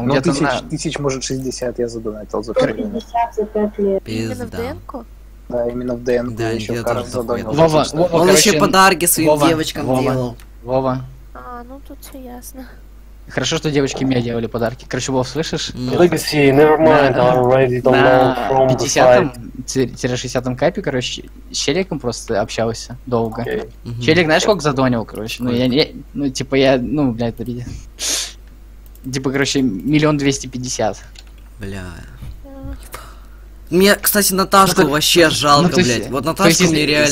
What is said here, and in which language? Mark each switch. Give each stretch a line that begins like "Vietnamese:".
Russian: Ну где-то тысяч, на... тысяч, может, 60 я задонатил за все время. 50 за 5 лет. Пизда. Да, именно в ДНК. Да, еще я тоже задонил. Вова, он короче, еще подарки своим Вова, девочкам Вова, делал. Вова. А, ну тут все ясно. Хорошо, что девочки мне делали подарки. Короче, Вов, слышишь? Нет.
English: Legacy, nevermind, I'm ready to load from the side.
Russian: На 50-м капе, короче, с Челиком просто общался долго.
English: Okay. Mm-hmm.
Russian: Челик, знаешь, сколько задонил, короче? Ну, я, ну, типа, я, ну, блядь, это видит. Типа, короче, 1 250 000. Бля. Мне, кстати, Наташку вообще жалко, ну, блядь. Вот Наташку мне реально